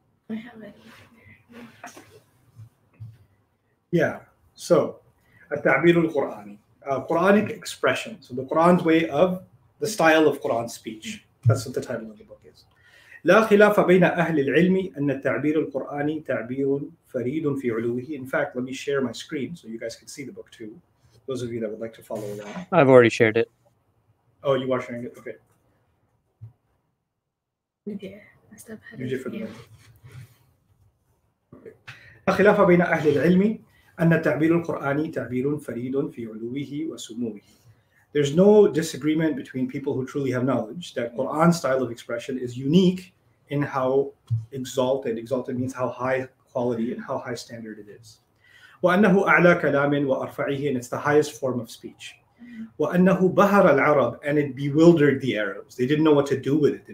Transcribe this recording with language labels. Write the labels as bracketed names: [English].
[English] I have it. Yeah, so At-Ta'bir al-Qur'ani, Qur'anic expression. So the Qur'an's way of the style of Qur'an speech. That's what the title of the book is. [Arabic] لا خلاف بين أهل العلم أن التعبير القرآني تعبير فريد في علوه. [English] In fact, let me share my screen so you guys can see the book too. Those of you that would like to follow along. I've already shared it. Oh, you are sharing it? Okay. Yeah, I stopped having it. [Arabic] لا خلاف بين أهل العلم أن التعبير القرآني تعبير فريد في علوه وسموه. [English] There's no disagreement between people who truly have knowledge that Quran style of expression is unique in how exalted. Exalted means how high quality and how high standard it is. [Arabic] وَأَنَّهُ أَعْلَى كَلَامٍ وَأَرْفَعِهِ [English] And it's the highest form of speech. [Arabic] وَأَنَّهُ بَهَرَ الْعَرَبِ [English] And it bewildered the Arabs. They didn't know what to do with it.